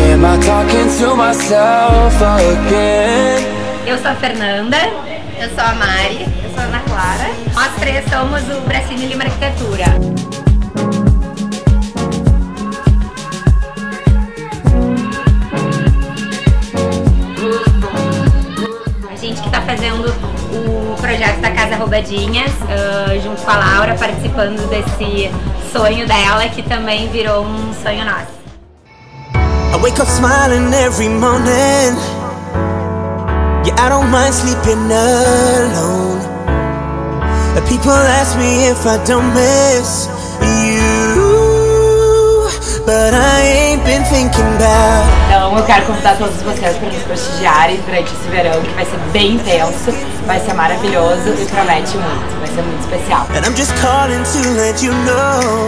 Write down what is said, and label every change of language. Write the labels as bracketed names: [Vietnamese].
[English] Am I talking to myself again? [Portuguese] Eu sou a Fernanda. Eu sou a Mari. Eu sou a Ana Clara. Nós três somos o Bracini Lima Arquitetura. A gente que está fazendo o projeto da Casa Roubadinhas, junto com a Laura, participando desse sonho dela, que também virou um sonho nosso. [English] I wake up smiling every morning. Yeah, I don't mind sleeping alone. People ask me if I don't miss you, but I ain't been thinking about. [Portuguese] Então eu quero convidar todos vocês para nos prestigiarem durante esse verão, que vai ser bem intenso, vai ser maravilhoso e promete muito, vai ser muito especial. [English] And I'm just calling to let you know.